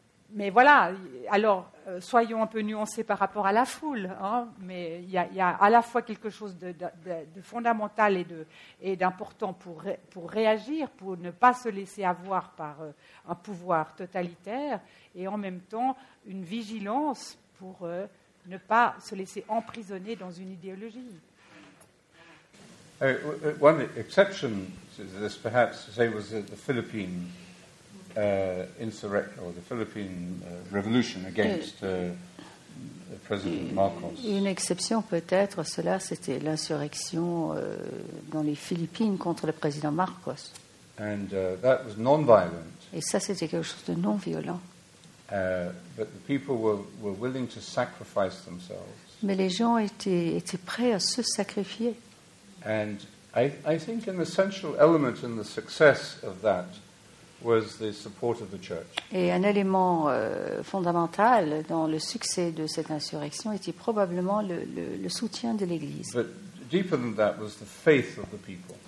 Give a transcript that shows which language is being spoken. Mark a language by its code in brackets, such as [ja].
[fr] Mais voilà, alors soyons un peu nuancés par rapport à la foule, hein, mais il y a à la fois quelque chose de fondamental et d'important pour réagir, pour ne pas se laisser avoir par un pouvoir totalitaire, et en même temps une vigilance pour ne pas se laisser emprisonner dans une idéologie. [en] One exception to this, perhaps, say, was the Philippines. Insurrection or the Philippine revolution against President Marcos. [fr] Une exception peut-être, cela c'était l'insurrection dans les Philippines contre le président Marcos. [en] And that was non-violent. [fr] Et ça c'était quelque chose de non-violent. [en] But the people were willing to sacrifice themselves. [fr] Mais les gens étaient prêts à se sacrifier. [en] And I think an essential element in the success of that was the support of the church. [fr] Et un élément fondamental dans le succès de cette insurrection était probablement le soutien de l'Église. [en] But deeper than that was the faith of the people.